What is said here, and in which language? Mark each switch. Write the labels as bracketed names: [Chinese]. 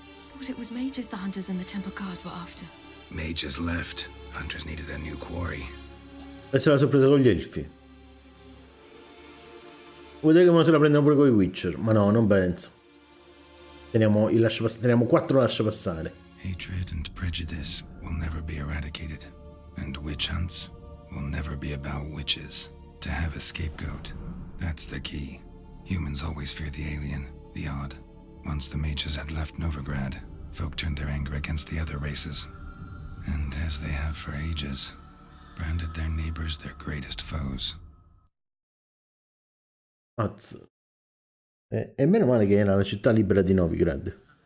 [English] Thought it was mages the hunters and the temple guard were after. Mages left. Hunters needed a new quarry. [Italian] E se la sono presa con gli elfi. Vuol dire che se la prendono pure con i Witcher. Ma no, non penso. Teniamo il lascia passare. Teniamo quattro lascia passare. [English] Hatred and prejudice will never be eradicated. And witch hunts will never be about witches. To have a scapegoat, that's the key. Humans always fear the alien. The odd. Once the mages had left Novigrad, folk turned their anger against the other races. And as they have for ages, branded their neighbors their greatest foes. [Italian] Mazzo. E meno male che era la città libera di Novigrad.